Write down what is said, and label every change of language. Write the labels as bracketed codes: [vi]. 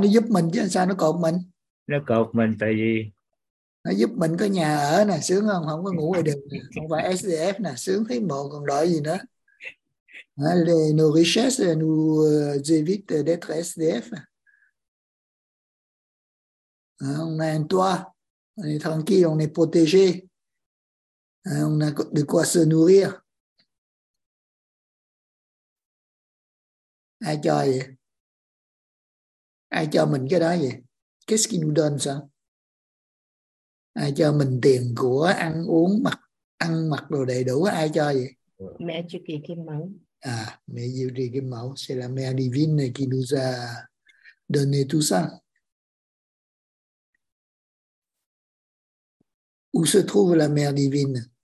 [vi] Nó giúp mình chứ sao nó cột mình? Nó cột mình tại vì nó giúp mình có nhà ở nè, sướng không? Không có ngủ ngoài đường nè. Không phải SDF nè, sướng thấy mộ còn đòi gì nữa. [fr] Allez, nos richesses nous évitent d'être SDF. On a un toit. On est tranquille, on est protégé. On a de quoi se nourrir. [vi] Ai cho vậy? Ai cho mình cái đó vậy? [fr] Qu'est-ce qui nous donne ça? [vi] Ai cho mình tiền của ăn uống mặc ăn mặc đồ đầy đủ, ai cho vậy? Mẹ Chu Kỳ Kim Mẫu. [fr] À, mẹ Diệu Trì Kim Mẫu, c'est la mère divine qui nous a donné tout ça. Où se trouve la mère divine?